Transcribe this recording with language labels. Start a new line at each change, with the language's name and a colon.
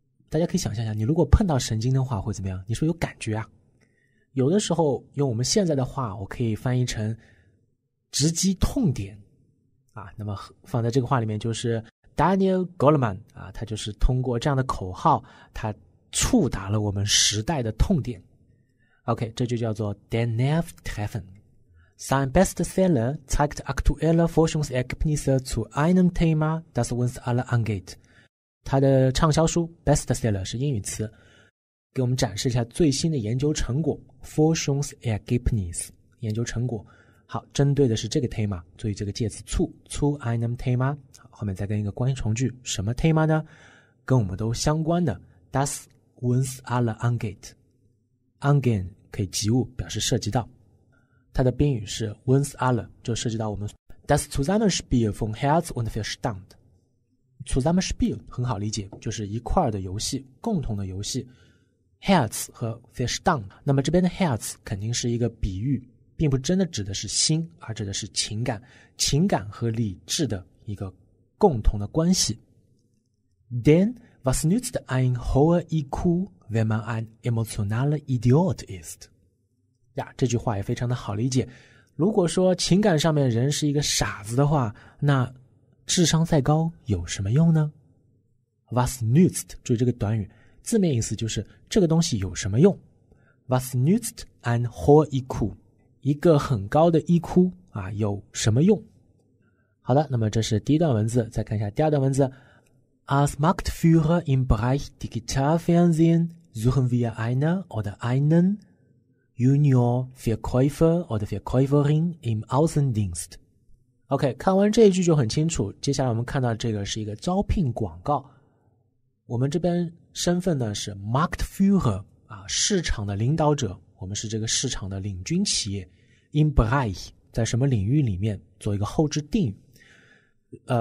Chinese: 大家可以想象一下，你如果碰到神经的话会怎么样，你说有感觉啊。有的时候用我们现在的话我可以翻译成直击痛点啊。那么放在这个话里面就是 Daniel Goleman 啊，他就是通过这样的口号他触达了我们时代的痛点。
German: OK，
Chinese: 这就叫做
German: Den Nerv Treffen。 Sein Bestseller zeigt aktuelle Forschungsergebnisse zu einem Thema, das uns alle angeht.
Chinese: 他的畅销书 Bestseller 是英语词，给我们展示一下最新的研究成果 Forschungsergebnis 研究成果。好，针对的是这个 Thema， 注意这个介词
German: zu einem Thema，
Chinese: 后面再跟一个关系从句，什么 Thema 呢？跟我们都相关的
German: Das uns alle angeht。
Chinese: Angehen 可以及物，表示涉及到，它的宾语是 uns alle， 就涉及到我们
German: das Zusammenspiel von Herz und Verstand。
Chinese: Zusammenspiel 很好理解，就是一块的游戏，共同的游戏。 Herz 和 Verstand， 那么这边的 Herz 肯定是一个比喻，并不真的指的是心，而指的是情感，情感和理智的一个共同的关系。
German: Then was nützt ein hoher IQ wenn man ein emotionaler Idiot ist？
Chinese: 呀，这句话也非常的好理解。如果说情感上面人是一个傻子的话，那智商再高有什么用呢？
German: Was nützt，
Chinese: 注意这个短语，字面意思就是这个东西有什么用。
German: Was nützt ein hoher IQ，
Chinese: 一个很高的 IQ 啊，有什么用。好的，那么这是第一段文字，再看一下第二段文字。
German: Als Marktführer im Bereich Digitalfernsehen suchen wir eine oder einenJunior Verkäufer oder Verkäuferin im Außendienst。
Chinese: OK， 看完这一句就很清楚，接下来我们看到这个是一个招聘广告。我们这边身份呢是 Marktführer、啊、市场的领导者，我们是这个市场的领军企业。 Im Bereich， 在什么领域里面，做一个后置定语。